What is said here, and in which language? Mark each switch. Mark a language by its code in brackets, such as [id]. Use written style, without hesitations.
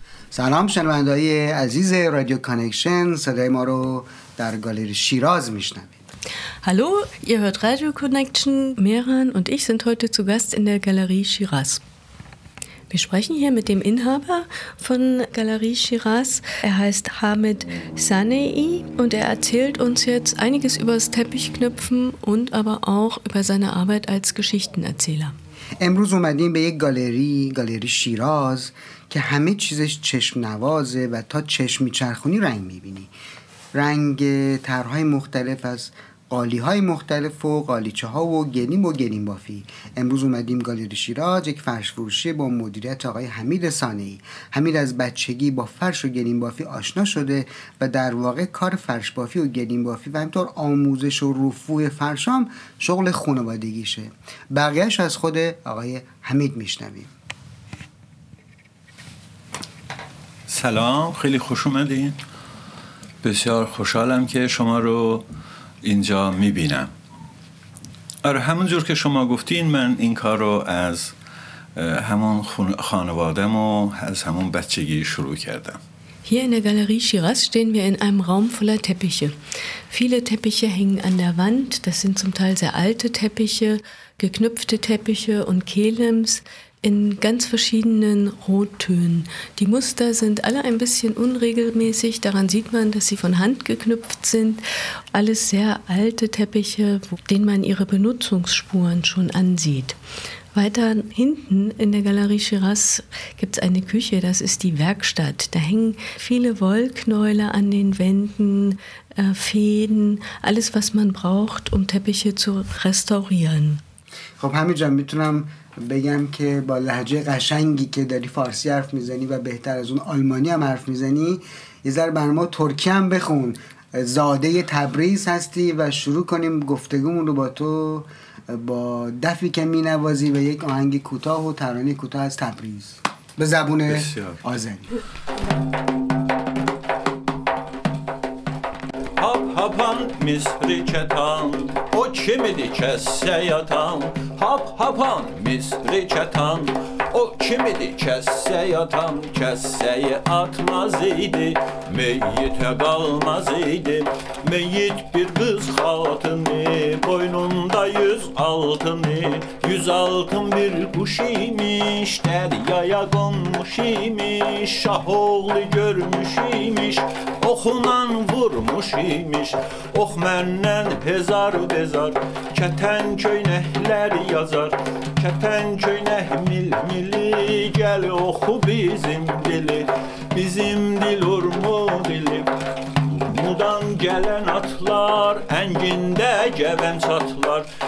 [fa] سلام شنوندای عزیز رادیو کانکشن صدای ما رو در گالری شیراز میشنوید. [de] Hallo, ihr hört Radio Connection. Mehran und ich sind heute zu Gast in der Galerie Shiraz. Wir sprechen hier mit dem Inhaber von Galerie Shiraz. Er heißt Hamid Sanei und er erzählt uns jetzt einiges über das Teppichknüpfen und aber auch über seine Arbeit als Geschichtenerzähler. [fa] امروز اومدیم به یک گالری، گالری شیراز که همه چیزش چشم نوازه و تا چشم میچرخونی رنگ میبینی. رنگ طرح‌های مختلف از قالی‌های مختلف و قالیچه‌ها و گلیم بافی. امروز اومدیم گالری شیراز، یک فرش فروشی با مدیریت آقای حمید سانه‌ای. حمید از بچگی با فرش و گلیم بافی آشنا شده و در واقع کار فرش بافی و گلیم بافی و همینطور آموزش و رفوع فرش هم شغل خانوادگیشه. بقیه‌اش از خود آقای حمید میشنویم. سلام، خیلی خوش اومدین. بسیار خوشحالم که شما رو اینجا میبینم. آره، همون جور که شما گفتین، من این کار رو از همون خانوادم و از همون بچگی شروع کردم. [de] Hier in der Galerie Shiraz stehen wir in einem Raum voller Teppiche. Viele Teppiche hängen an der Wand. Das sind zum Teil sehr alte Teppiche, geknüpfte Teppiche und Kelims in ganz verschiedenen Rottönen. Die Muster sind alle ein bisschen unregelmäßig. Daran sieht man, dass sie von Hand geknüpft sind. Alles sehr alte Teppiche, denen man ihre Benutzungsspuren schon ansieht. Weiter hinten in der Galerie Shiraz gibt es eine Küche, das ist die Werkstatt. Da hängen viele Wollknäule an den Wänden, Fäden, alles, was man braucht, um Teppiche zu restaurieren. [fa] خب حمید جان، میتونم بگم که با لهجه قشنگی که داری فارسی حرف میزنی و بهتر از اون آلمانی هم حرف میزنی، یه ذره بر ما ترکی هم بخون. زاده تبریز هستی و شروع کنیم گفتگومون رو با تو با دفی که مینوازی و یک آهنگ کوتاه و ترانه کوتاه از تبریز به زبون آذری. [az] Hapan misri çatan, o kim idi kəssə yatan? Hap hapan misri çatan, o kim idi kəssə yatan? Kəssəyi atmaz idi, meyyitə qalmaz idi. Meyyit bir qız xatını, boynunda yüz altını. Yüz altın bir quş imiş, dəryaya qonmuş imiş. Şah oğlu görmüş imiş, oxundan vurmuş imiş. Ox məndən hezar bezar, kətən köynəhlər yazar. Kətən köynəh mil-mili, gəl oxu bizim dili. Bizim dil urmu dili. Urmudan gələn atlar, əngində gəvən çatlar.